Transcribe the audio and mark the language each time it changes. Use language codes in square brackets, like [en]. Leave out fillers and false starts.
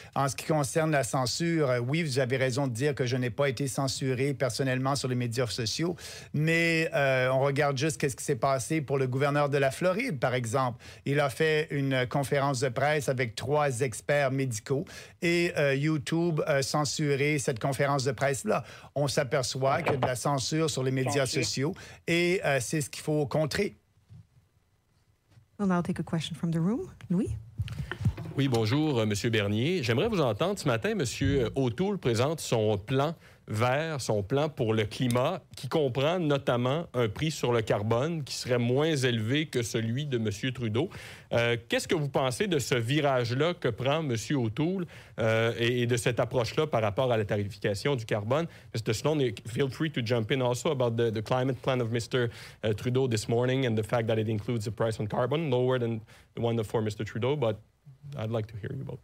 [fr] En ce qui concerne la censure, oui, vous avez raison de dire que je n'ai pas été censuré personnellement sur les médias sociaux, mais on regarde juste qu'est-ce qui s'est passé pour le gouverneur de la Floride, par exemple. Il a fait une conférence de presse avec trois experts médicaux et YouTube censurer cette conférence de presse-là. On s'aperçoit qu'il y a de la censure sur les médias sociaux et c'est ce qu'il faut contrer. [en] We'll now take a question from the room. Louis? [fr] Oui, bonjour, Monsieur Bernier. J'aimerais vous entendre. Ce matin, Monsieur O'Toole présente son plan vert, son plan pour le climat, qui comprend notamment un prix sur le carbone qui serait moins élevé que celui de Monsieur Trudeau. Qu'est-ce que vous pensez de ce virage-là que prend Monsieur O'Toole et de cette approche-là par rapport à la tarification du carbone? [en] Mr. Sloan, feel free to jump in also about the climate plan of Mr. Trudeau this morning and the fact that it includes a price on carbon lower than the one for Mr. Trudeau, but I'd like to hear you both.